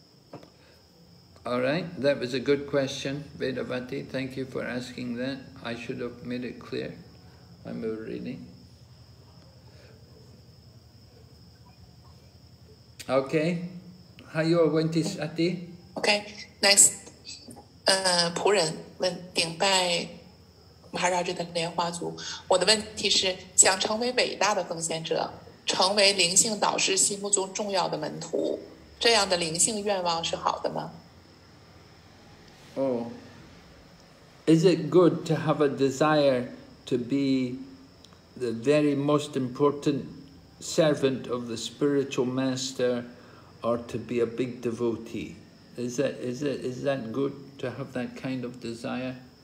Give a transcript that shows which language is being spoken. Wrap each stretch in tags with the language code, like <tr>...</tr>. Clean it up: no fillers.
<en>So, all right, that was a good question, Vedavati. Thank you for asking that. I should have made it clear. I'm reading. Okay, how you are going to study?</en> <zh>Okay, next, 仆人问顶拜马哈拉吉的莲花族，我的问题是想成为伟大的奉献者，成为灵性导师心目中重要的门徒，这样的灵性愿望是好的吗？</zh> <en>Oh, is it good to have a desire to be the very most important? Servant of the spiritual master, or to be a big devotee, is that good to have that kind of desire?</en>